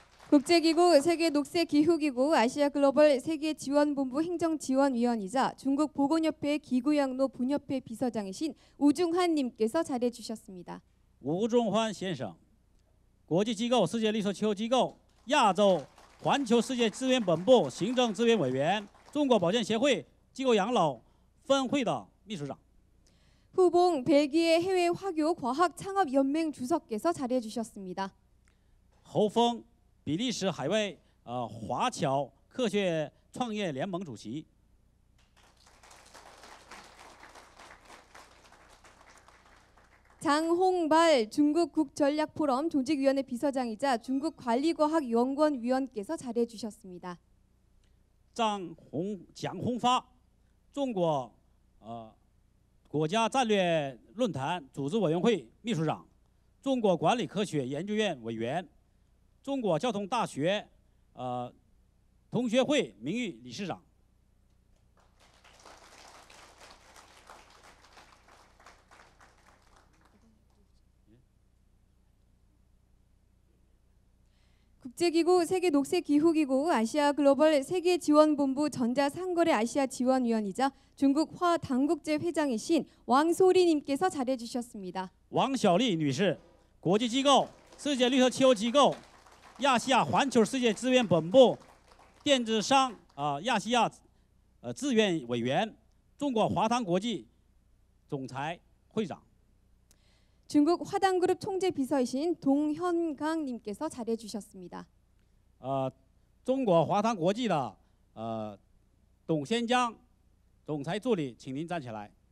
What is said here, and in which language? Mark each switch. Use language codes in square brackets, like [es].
[ko] 국제기구세계녹색기후기구아시아글로벌세계지원본부행정지원위원이자중국보건협회기구양로분협회비서장이신우중환님께서자리해주셨습니다 [zh] 우중환先生国际机构世界绿色气候机构亚洲环球世界资源本部行政资源委员中国保健协会机构养老分会的秘书长 [ko] 후봉벨기에해외화교과학창업연맹주석께서자리해주셨습니다 [zh] 侯峰比利时海外华侨科学创业联盟主席 [ko] 장홍발중국국전략포럼조직위원회비서장이자중국관리과학연구원위원께서자리해주셨습니다 [zh] 장홍파중국국가전략론坛组织委员会秘书长中国管理科学研究院委员中国交通大学同学会名誉理事长 [ko] 국제기구세계녹색기후기구아시아글로벌세계지원본부전자상거래아시아지원위원이자중국화당국제회장이신왕소리님께서자리해주셨습니다 [zh] 왕소리女士国际机构世界绿色气候机构亚细亚环球世界资源本部电子商亚细亚资源委员中国华唐国际总裁会长 [ko] 중국화당그룹총재비서이신동현강님께서자리해주셨습니다 [zh] 中国华唐国际的董先江总裁助理请您站起来